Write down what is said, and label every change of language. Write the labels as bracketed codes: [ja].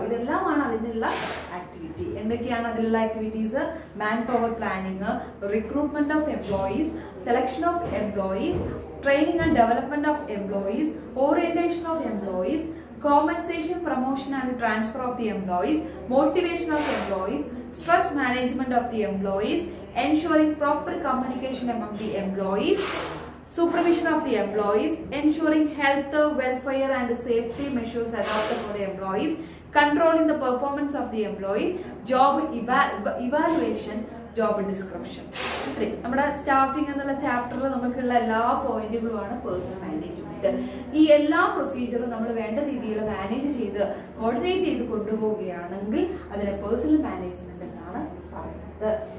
[ml] ഇതെല്ലാമാണ് അതിനുള്ള ആക്ടിവിറ്റി. എന്തൊക്കെയാണ് അതിലുള്ള activities, [en] Man power planning recruitment of employees, selection of employees, training and development of employees, orientation of employees, compensation promotion and transfer of the employees, motivation of employees, stress management of the employees, ensuring proper communication among the employees, supervision of the employees, ensuring health, welfare and safety measures adopted for the employees, controlling the performance of the employee, job evaluation, job description. [ml] ഇത്രയും നമ്മുടെ staffing എന്നുള്ള ചാപ്റ്ററിൽ നമുക്കുള്ള എല്ലാ പോയിന്റുകളുമാണ് personnel management. ഈ എല്ലാ പ്രൊസീജിയറും നമ്മൾ വേണ്ട രീതിയിൽ മാനേജ് ചെയ്ത് കോർഡിനേറ്റ് ചെയ്ത് കൊണ്ടുപോവുകയാണെങ്കിൽ അതിനെ പേഴ്സണൽ മാനേജ്മെന്റ് എന്നാണ് പറയുന്നത്.